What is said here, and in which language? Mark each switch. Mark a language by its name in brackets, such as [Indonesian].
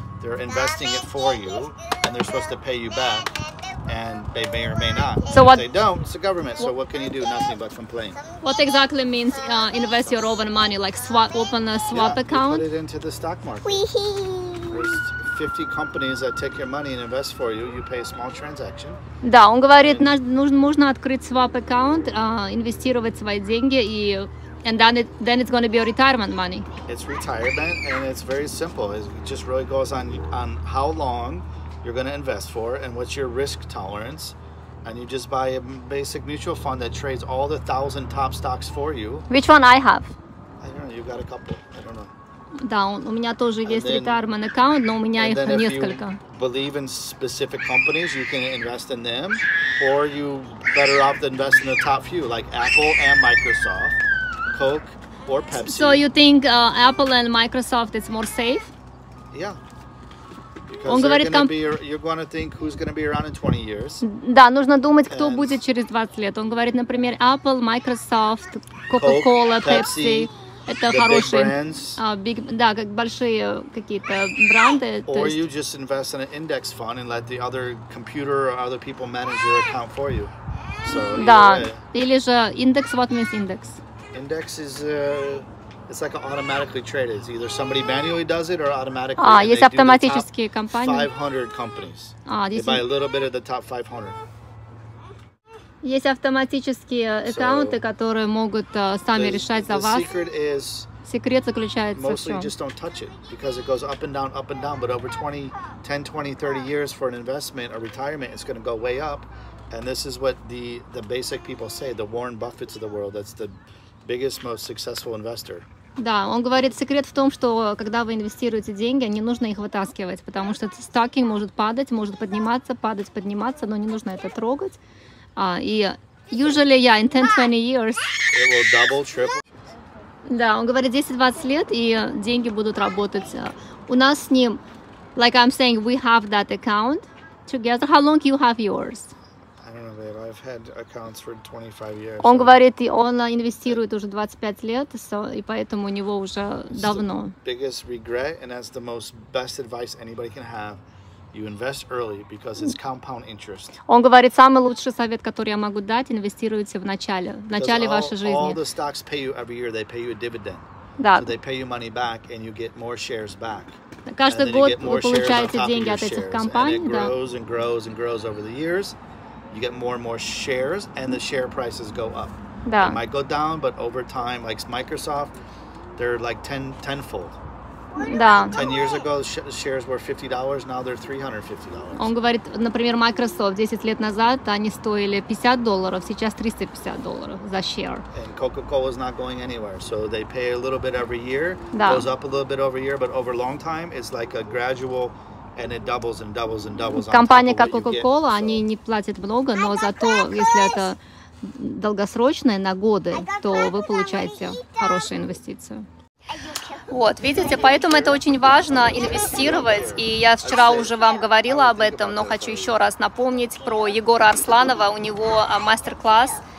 [English] They're investing it for you, and they're supposed to pay you back, and they may or may not. So what, if they don't, it's the government, so what can you do? Nothing but complain. What exactly means invest your own money, like swap, open a swap account? Put it into the stock market. There's 50 companies that take your money and invest for you, you pay a small transaction. [Russian] Да, он говорит, нужно открыть swap account, инвестировать свои деньги и... [English] And then then it's going to be a retirement money. It's retirement, and it's very simple. It just really goes on how long you're going to invest for and what's your risk tolerance. And you just buy a basic mutual fund that trades all the 1,000 top stocks for you. Which one I have? I don't know. You've got a couple. I don't know. [Russian] Да, у меня тоже есть [English] then, [Russian] retirement account, но у меня их несколько. [English] If you believe in specific companies, you can invest in them. Or you better off to invest in the top few, like Apple and Microsoft. Coke or Pepsi. So you think Apple and Microsoft is more safe? Yeah. Because [Russian] он говорит, [English] you're going to think who's going to be around in 20 years. [Russian] Да, нужно думать, кто будет через 20 лет. Он говорит, например, Apple, Microsoft, Coca-Cola, [English] Coke, Pepsi. [Russian] Это хорошие. [English] Big, [Russian] да, как большие какие-то бренды. [English] Or you just invest in an index fund and let the other computer or other people manage your account for you. So, [Russian] да. [English] Way. [Russian] Или же [English] index, what means index? Index is it's like automatically traded. It's either somebody manually does it or automatically. [Russian] Есть автоматические компании. [English] 500 companies. [Russian] Здесь... [English] They buy a little bit of the top 500. [Russian] Есть автоматические аккаунты, которые могут сами решать за вас. Секрет заключается в чем? [English] Mostly just don't touch it because it goes up and down, but over 10, 20, 30 years for an investment or retirement, it's going to go way up. And this is what the basic people say, the Warren Buffetts of the world. That's the biggest, most successful investor. [Russian] Да, он говорит, секрет в том, что когда вы инвестируете деньги, не нужно их вытаскивать, потому что стокинг может падать, может подниматься, падать, подниматься, но не нужно это трогать. [English] И usually, in 10-20 years... It will double, triple. [Russian] Да, он говорит, 10-20 лет, и деньги будут работать. У нас с ним, [English] like I'm saying, we have that account together. How long you have yours? I've had accounts for 25 years. [Russian] Он говорит, и он инвестирует уже 25 лет, и поэтому у него уже давно. [English] Biggest regret, and that's the most best advice anybody can have. You invest early because it's compound interest. [Russian] Он говорит, самый лучший совет, который я могу дать, инвестируйте в начале вашей жизни. [English] All the stocks pay you every year. They pay you a dividend. [Russian] Да. [English] So they pay you money back, and you get more shares back. [Russian] Каждый год вы получаете деньги от этих компаний, да. [English] And it grows and grows and grows over the years. You get more and more shares, and the share prices go up. [Russian] Да. [English] It might go down, but over time, like Microsoft, they're like tenfold. [Russian] Да. [English] 10 years ago, shares were $50. Now they're $350. [Russian] Он говорит, например, Microsoft 10 лет назад они стоили $50, сейчас $350 за share. [English] And Coca-Cola is not going anywhere, so they pay a little bit every year. [Russian] Да. [English] Goes up a little bit over a year, but over a long time, it's like a gradual. And it doubles and doubles and doubles. [Russian] Компания как Coca-Cola, они не платят много, но зато, если это долгосрочное, на годы, то вы получаете хорошую инвестицию. Вот, видите, поэтому это очень важно инвестировать. И я вчера уже вам говорила об этом, но хочу еще раз напомнить про Егора Арсланова. У него мастер-класс